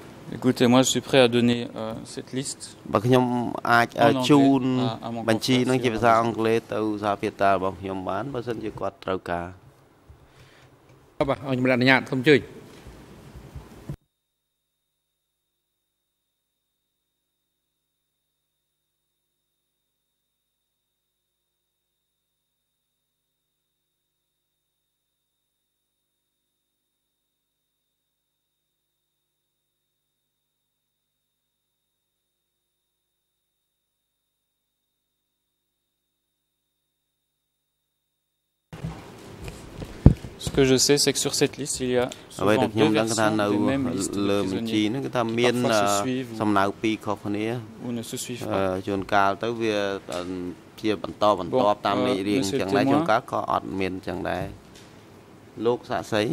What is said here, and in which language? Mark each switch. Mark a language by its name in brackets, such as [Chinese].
[French] Écoutez, moi je suis prêt à donner cette liste. [Khmer] បងខ្ញុំអាចជូនបញ្ជីនឹងជាភាសាអង់គ្លេសទៅសាភិតារបស់ខ្ញុំបានបើសិនជាគាត់ត្រូវការ បាទអរខ្ញុំអនុញ្ញាតសូមជួយ [French] ce que je sais c'est que sur cette liste il y a souvent deux versions de la même liste qui parfois se suivent ou ne se suivent pas [Khmer] ជួនកាលទៅវាជាបន្តបន្តតាមលេខរៀងចឹងដែរជួនកាលក៏អត់មានចឹងដែរលោកសាក់សី